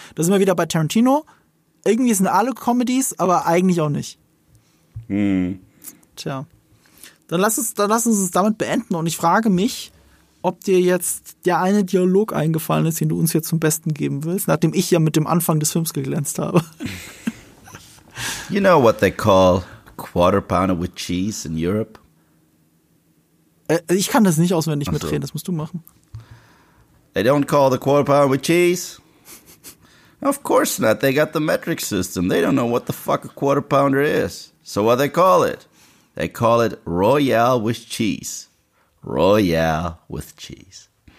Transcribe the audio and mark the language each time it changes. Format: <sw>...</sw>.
<de>Da sind wir wieder bei Tarantino. Irgendwie sind alle Comedies, aber eigentlich auch nicht. Hm. Tja. Dann lass uns damit beenden. Und ich frage mich, ob dir jetzt der eine Dialog eingefallen ist, den du uns jetzt zum Besten geben willst, nachdem ich ja mit dem Anfang des Films geglänzt habe.</de> <en>You know what they call quarter pounder with cheese in Europe?</en> <de>Ich kann das nicht auswendig mitreden, das musst du machen.</de> <en>They don't call the quarter pounder with cheese. Of course not. They got the metric system. They don't know what the fuck a quarter pounder is. So what they call it? They call it Royale with cheese. Royale with cheese.</en>